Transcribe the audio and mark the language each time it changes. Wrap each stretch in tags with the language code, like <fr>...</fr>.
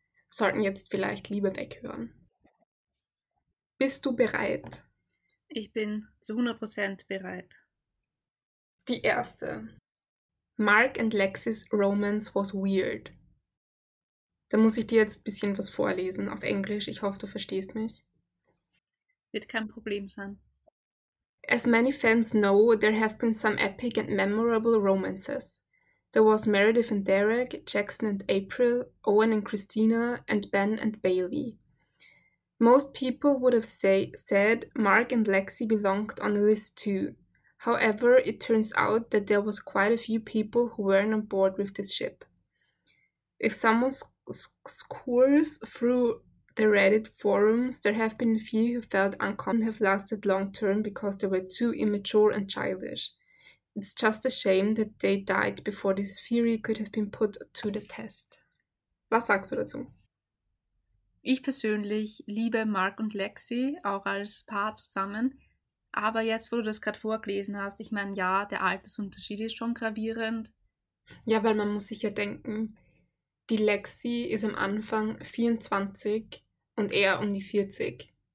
<de>sollten jetzt vielleicht lieber weghören. Bist du bereit? Ich bin zu 100% bereit. Die erste.</de> <en>Mark and Lexi's romance was weird.</en> <de>Da muss ich dir jetzt ein bisschen was vorlesen auf Englisch. Ich hoffe, du verstehst mich. Wird kein Problem sein.</de> <en>As many fans know, there have been some epic and memorable romances. There was Meredith and Derek, Jackson and April, Owen and Christina, and Ben and Bailey. Most people would have said Mark and Lexi belonged on the list too. However, it turns out that there was quite a few people who weren't on board with this ship. If someone scours through the Reddit forums, there have been a few who felt uncomfortable and have lasted long term because they were too immature and childish. It's just a shame that they died before this theory could have been put to the test.</en> <de>Was sagst du dazu? Ich persönlich liebe Mark und Lexi auch als Paar zusammen. Aber jetzt, wo du das gerade vorgelesen hast, ich meine, ja, der Altersunterschied ist schon gravierend. Ja, weil man muss sich ja denken, die Lexi ist am Anfang 24 und er um die 40.</de>